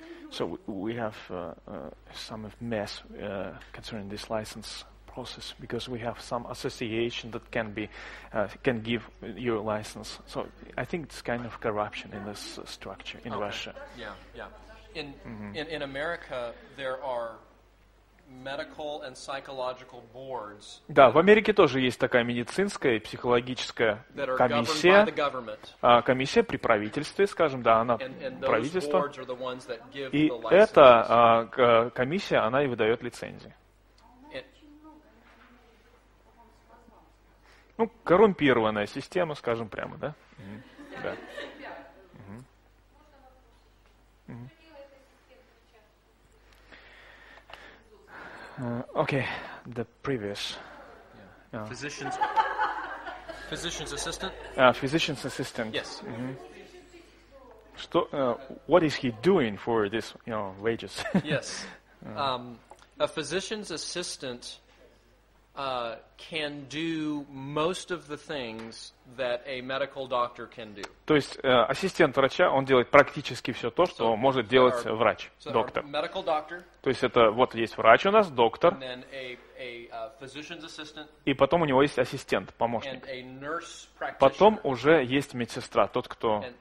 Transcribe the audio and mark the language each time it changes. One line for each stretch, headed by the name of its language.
English: So we have some mess concerning this license process because we have some association that can give your license. So I think it's kind of corruption in this structure in okay. Russia. Yeah. In America there are medical and psychological boards.
Russian: Да, в Америке тоже есть такая медицинская и психологическая комиссия. Комиссия при правительстве, скажем, да, она правительство. И эта комиссия, она и выдает лицензии. Ну, коррумпированная система, скажем прямо, да? Да.
English: Okay, the previous. Yeah. Yeah. Physicians. Physician's assistant. Physician's assistant. Yes.
Russian: Что,
English: what is he doing for this, you know, wages? Yes. A physician's assistant can do most of the things that a medical doctor can do.
Russian: То есть ассистент врача, он делает практически все то, что может делать врач, доктор.
English: Medical doctor.
Russian: То есть это вот есть врач у нас, доктор.
English: And then a physician's assistant.
Russian: И потом у него есть ассистент, помощник.
English: And a nurse practitioner.
Russian: Потом уже есть медсестра, тот, кто.